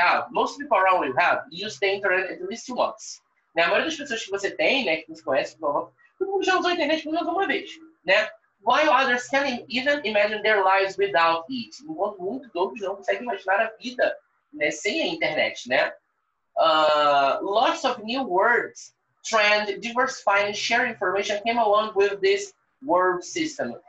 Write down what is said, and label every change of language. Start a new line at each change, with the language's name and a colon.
English: Most people around you have used the internet at least once.
Portuguese: Né? A maioria das pessoas que você tem, né, que você conhece, todo mundo já usou a internet pelo menos uma vez. Né?
English: While others can even imagine their lives without it.
Portuguese: Enquanto muitos outros não conseguem imaginar a vida, né, sem a internet. Né?
English: Lots of new words, trend, diversifying, sharing information came along with this word system.